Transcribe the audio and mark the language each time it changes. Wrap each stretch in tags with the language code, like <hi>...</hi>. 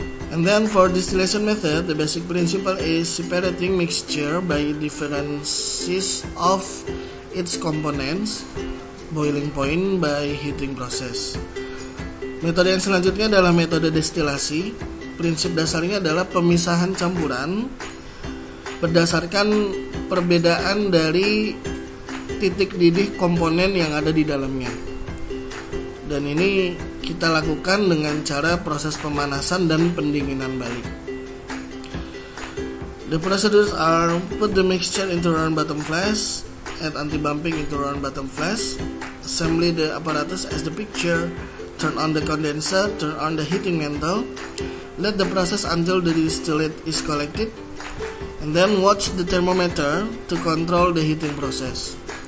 <en>And then for distillation method, the basic principle is separating mixture by differences of its components, boiling point by heating process.</en> <id>Metode yang selanjutnya adalah metode destilasi. Prinsip dasarnya adalah pemisahan campuran berdasarkan perbedaan dari titik didih komponen yang ada di dalamnya. Dan ini kita lakukan dengan cara proses pemanasan dan pendinginan balik.</id> <en>The procedures are: put the mixture into round bottom flask, add anti-bumping into round bottom flask, assembly the apparatus as the picture, turn on the condenser, turn on the heating mantle, let the process until the distillate is collected, and then watch the thermometer to control the heating process.</en>